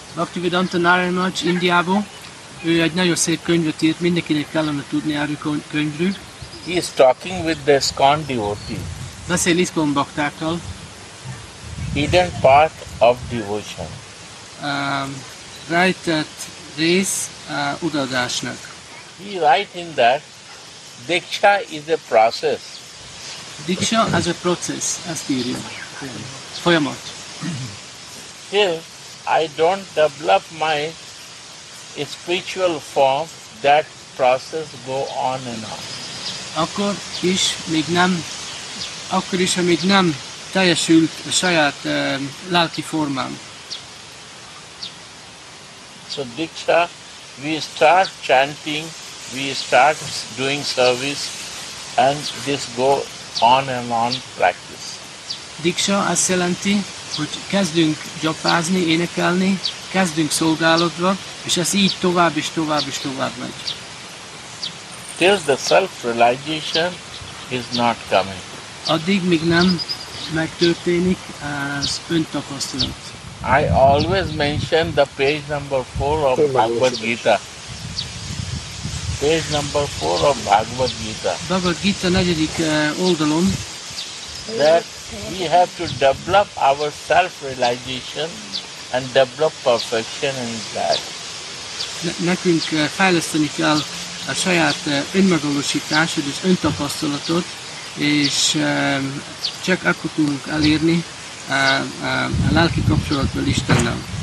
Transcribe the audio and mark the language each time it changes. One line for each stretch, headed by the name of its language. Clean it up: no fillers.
Hungarian: Bhaktivedanta Narayana Nagy Indiából. Ő egy nagyon szép könyvet írt, mindenkinek kellene tudni erről könyvről.
English: He is talking with the ISKCON devotee.
Hungarian: Beszél ISKCON baktákkal.
English: Hidden part of devotion.
Hungarian: Rejtett rész odaadásnak.
English: He write in that, Diksha is a process. Diksha as a process,
Hungarian: ezt írja. Folyamat.
English: Till I don't develop my spiritual form, that process go on and on.
Hungarian: Akkor is még nem, akkor is, amíg nem teljesült a saját lelki formám.
English: So Diksha, we start chanting, we start doing service, and this go on and on practice.
Hungarian: Diksha azt jelenti, hogy kezdünk japázni, énekelni, kezdünk szolgálatba, és ez így tovább és tovább és tovább megy.
English: Till the self-realization is not coming.
Hungarian: Addig még nem megtörténik az öntapasztalat.
English: I always mention the page number 4 of Bhagavad Gita. Page number 4 of Bhagavad Gita.
Hungarian: Bhagavad Gita 4. Oldalon.
English: That we have to develop our self-realization and develop perfection in that.
Hungarian: Nekünk fejleszteni kell a saját önmegvalósításod és öntapasztalatot, és csak akkor tudunk elérni a lelki kapcsolatból Istennel.